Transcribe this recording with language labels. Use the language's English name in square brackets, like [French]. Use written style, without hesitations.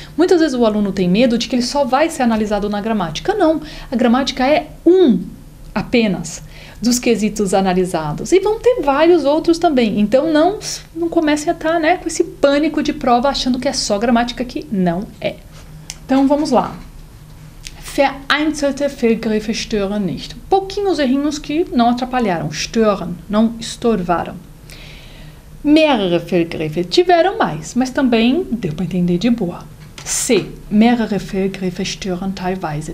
[Portuguese] Muitas vezes o aluno tem medo de que ele só vai ser analisado na gramática. Não, a gramática é um apenas dos quesitos analisados. E vão ter vários outros também. Então, não comece a estar, né, com esse pânico de prova achando que é só gramática, que não é. Então, vamos lá. [German] Vereinzelte Fehlgriffe stören nicht. [Portuguese] Pouquinhos errinhos que não atrapalharam. Stören, não estorvaram. [German] Mehrere Fehlgriffe, [Portuguese] tiveram mais, mas também deu para entender de boa. [German] C, mehrere Fehlgriffe stören teilweise.